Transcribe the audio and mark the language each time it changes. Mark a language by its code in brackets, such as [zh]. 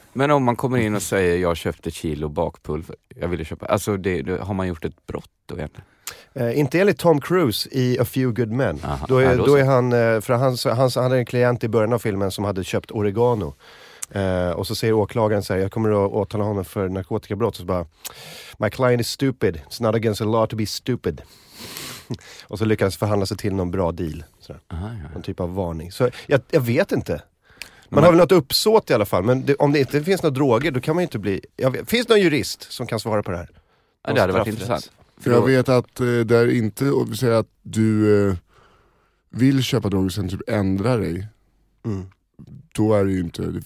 [sv] Men om man kommer in och säger, jag köpte kilo bakpulver, jag ville köpa, alltså det har man gjort ett brott då igen? Inte enligt Tom Cruise i A Few Good Men. Då är han, för han hade en klient i början av filmen som hade köpt oregano. Och så säger åklagaren så här, jag kommer att åtala honom för narkotikabrott. Och så bara, [en] my client is stupid, it's not against the law to be stupid. [sv] Och så lyckas förhandla sig till någon bra deal. Så där. Aha, ja. En typ av varning. Så jag vet inte. Man har väl något uppsåt i alla fall, men om det inte finns några droger, då kan man ju inte bli... Finns det någon jurist som kan svara på det här? Ja, det hade varit intressant. För jag vet att det är inte att säga att du vill köpa droger och sen typ ändra dig. Då är det ju inte...